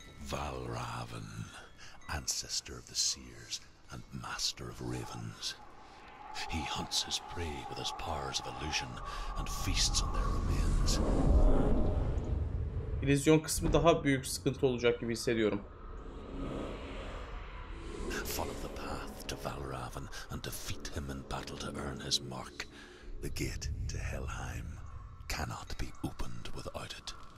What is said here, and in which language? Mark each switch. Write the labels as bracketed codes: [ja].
[en] Valravn, ancestor of the seers and master of ravens. He hunts his prey with his powers of illusion and feasts on their remains. [tr] İllüzyon kısmı daha büyük sıkıntı olacak gibi hissediyorum. [en] Follow the path to Valravn and defeat him in battle to earn his mark. The gate to Helheim cannot be opened without it.